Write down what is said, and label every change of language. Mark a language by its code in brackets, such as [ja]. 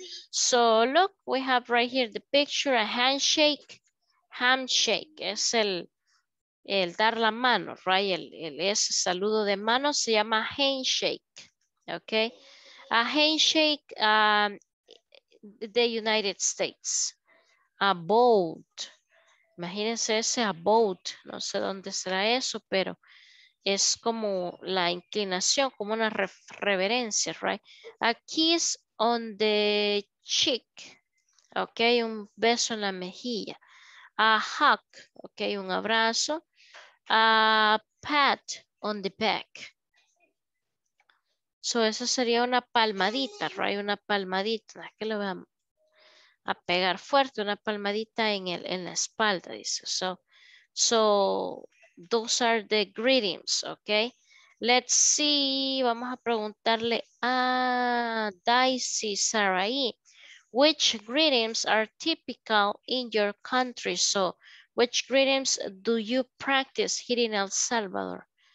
[en] So, look, we have right here the picture, a handshake. [es] Handshake es el dar la mano, right? Ese saludo de mano se llama handshake, okay? [en] A handshake, the United States. A boat. [es] Imagínense ese, [en] a boat. [es] No sé dónde será eso, pero es como la inclinación, como una reverencia, right? [en] A kiss on the cheek, okay? [es] Un beso en la mejilla. [en] A hug, okay, [es] un abrazo. [en] A pat on the back. [es] So, esa sería una palmadita, right? Una palmadita. Aquí lo veamos. a pegar fuerte, una palmadita en el en la espalda, dice. [en] So those are the greetings, okay? Let's see, [es] vamos a preguntarle a [en] Daisy Sarai, which greetings are typical in your country? So, which greetings do you practice here in El Salvador?